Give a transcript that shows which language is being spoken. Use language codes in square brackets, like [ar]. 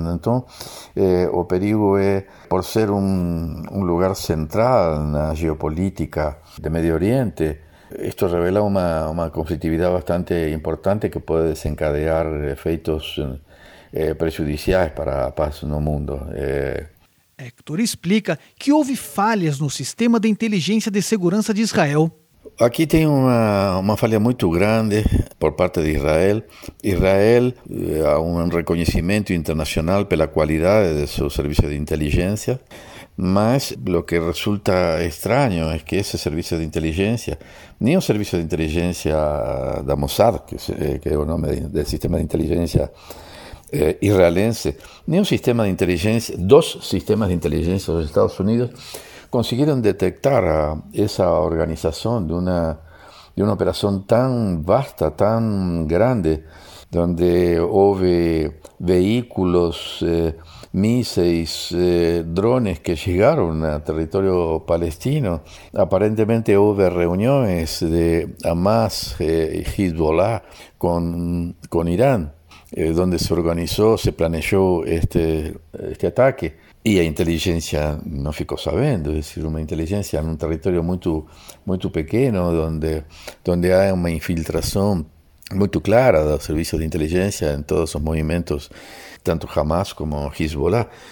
[es] Entonces, [pt] o perigo [es] es, por ser un lugar central en la geopolítica de Medio Oriente, esto revela una conflictividad bastante importante que puede desencadenar efectos [pt] prejudiciais para a paz no mundo. Hector explica que houve falhas no sistema de inteligência de segurança de Israel. Aqui tem uma falha muito grande por parte de Israel. Israel há um reconhecimento internacional pela qualidade do seu serviço de inteligência, mas o que resulta estranho é que esse serviço de inteligência, nem o serviço de inteligência da Mossad, que é o nome do sistema de inteligência [es] israelense, ni un sistema de inteligencia, dos sistemas de inteligencia de los Estados Unidos consiguieron detectar a esa organización de una operación tan vasta, tan grande, donde hubo vehículos, misiles, drones que llegaron a territorio palestino. Aparentemente hubo reuniones de Hamas y Hezbollah con Irán. dónde se organizó, se planeó este ataque. Y la inteligencia no [pt] ficou sabendo, [es] es decir, una inteligencia en un territorio muy, muy pequeño, donde hay una infiltración muy clara de los servicios de inteligencia en todos los movimientos, tanto Hamas como Hezbollah.